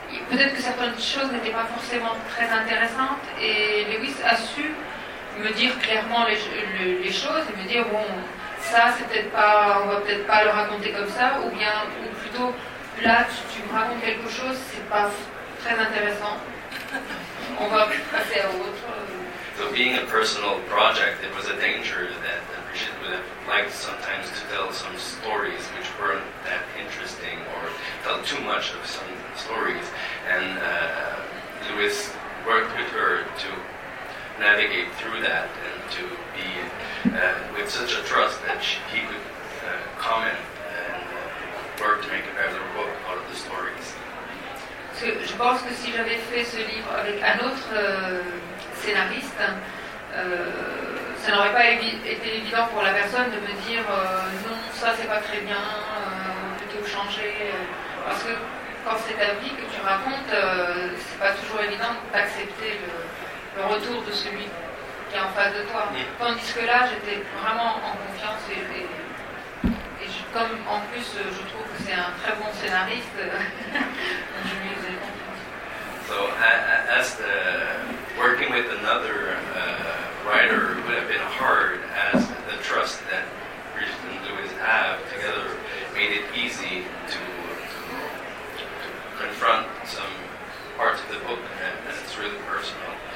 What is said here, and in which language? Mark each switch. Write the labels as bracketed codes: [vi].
[fr] Peut-être que certaines choses n'étaient pas forcément très intéressantes, et Lewis a su me dire clairement les choses, et me dire, bon, ça, c'est peut-être pas... On va peut-être pas le raconter comme ça, ou bien, ou plutôt, là, tu me racontes quelque chose, c'est pas très intéressant. On va passer à autre. [en] So being a personal project, it was a danger that Brigitte would have liked sometimes to tell some stories which weren't that interesting or tell too much of some stories. And Louis worked with her to navigate through that and to be with such a trust that he could comment and work to make a better book out of the stories. [fr] So, je pense que si j'avais fait ce livre avec un autre scénariste, ça n'aurait pas été évident pour la personne de me dire non, ça c'est pas très bien, plutôt changer. Parce que quand c'est ta vie que tu racontes, c'est pas toujours évident d'accepter le retour de celui qui est en face de toi. Tandis que là, j'étais vraiment en confiance et je, comme en plus je trouve que c'est un très bon scénariste, je lui faisais confiance. [en] Working with another writer would have been hard, as the trust that Bridget and Lewis have together made it easy to confront some parts of the book, and it's really personal.